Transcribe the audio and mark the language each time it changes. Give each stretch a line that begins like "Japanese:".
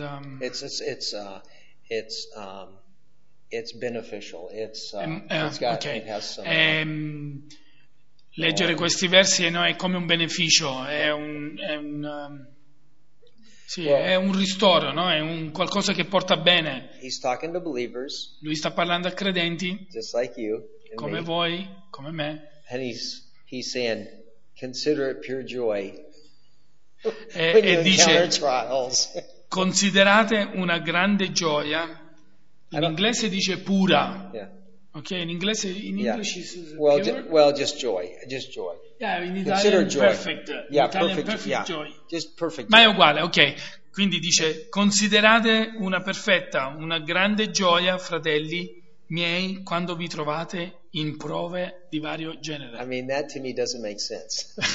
English: it's beneficial. It's got, okay. It has some
Italian: Leggere questi versi no, è come un beneficio, è un ristoro, no? È un qualcosa che porta bene.
English: He's talking to believers,
Italian: lui sta parlando a credenti,
English: just like you,
Italian: come me. Voi, come me.
English: And he's saying, consider it pure joy.
Italian: E dice, considerate una grande gioia. In inglese dice pura.
English: Yeah.
Italian: Ok, in inglese
English: just joy, just joy. Yeah, in Italian, consider joy. Perfect. Yeah, in Italian, perfect joy. Yeah. Just perfect.
Italian: Ma è uguale, ok. Quindi dice, considerate una perfetta, una grande gioia, fratelli miei, quando vi trovate in prove di vario genere.
English: I mean, that to me doesn't make sense.